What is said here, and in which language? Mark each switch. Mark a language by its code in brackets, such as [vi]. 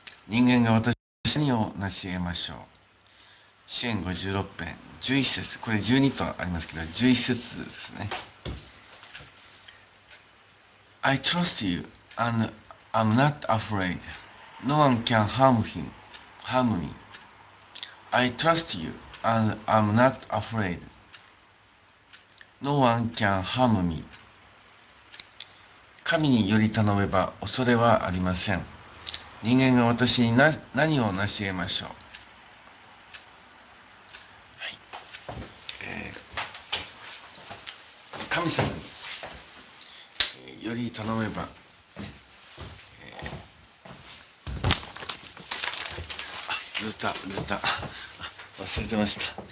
[ja] 人間が私に何を成し得ましょう。詩編56編11節、これ12とありますけど11節ですね。 [en] I trust you and I'm not afraid. No one can harm me. I trust you and I'm not afraid. No one can harm me. [ja] 神により頼めば恐れはありません。人間が私に何を成し得ましょう。神様により頼めば、ルーター、ルーター忘れてました。